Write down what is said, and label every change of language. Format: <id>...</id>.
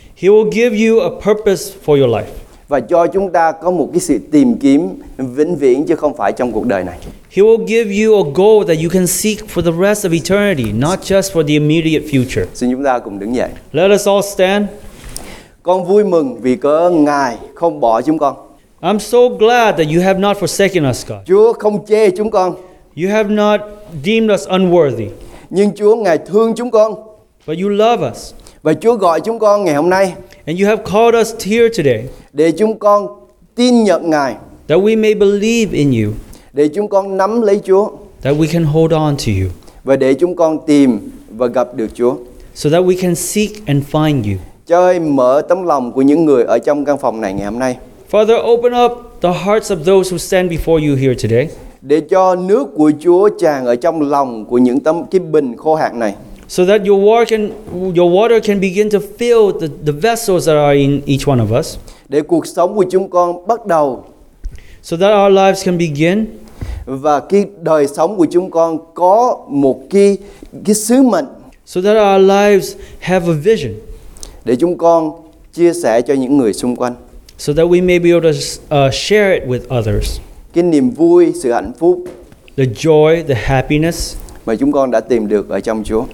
<en>He will give you a purpose for your life.</en> <vi>Và cho chúng ta có một cái sự tìm kiếm vĩnh viễn chứ không phải trong cuộc đời này.</vi> <en>He will give you a goal that you can seek for the rest of eternity, not just for the immediate future.</en> <vi>Xin chúng ta cùng đứng dậy.</vi> <en>Let us all stand.</en> <vi>Con vui mừng vì cớ Ngài không bỏ chúng con.</vi> <en>I'm so glad that you have not forsaken us, God.</en> <vi>Chúa không chê chúng con.</vi> <en>You have not deemed us unworthy.</en> <vi>Nhưng Chúa Ngài thương chúng con.</vi> <en>But you love us.</en> <vi>Và Chúa gọi chúng con ngày hôm nay.</vi> <en>And you have called us here today.</en> <vi>Để chúng con tin nhận Ngài.</vi> <en>That we may believe in you.</en> <vi>Để chúng con nắm lấy Chúa.</vi> <en>That we can hold on to you.</en> <vi>Và để chúng con tìm và gặp được Chúa.</vi> <en>So that we can seek and find you.</en> <vi>ơi, mở tấm lòng của những người ở trong căn phòng này ngày hôm nay.</vi> <en>Father, open up the hearts of those who stand before you here today.</en> <vi>Để cho nước của Chúa tràn ở trong lòng của những tấm cái bình khô hạn này.</vi> <en>So that your water can begin to fill the vessels that are in each one of us.</en> <vi>Để cuộc sống của chúng con bắt đầu.</vi> <en>So that our lives can begin.</en> <vi>Và cái đời sống của chúng con có một cái sứ mệnh.</vi> <en>So that our lives have a vision.</en> <vi>Để chúng con chia sẻ cho những người xung quanh.</vi> <en>So that we may be able to share it with others.</en> <vi>Cái niềm vui, sự hạnh phúc.</vi> <en>The joy, the happiness.</en> <vi>Mà chúng con đã tìm được ở trong Chúa.</vi>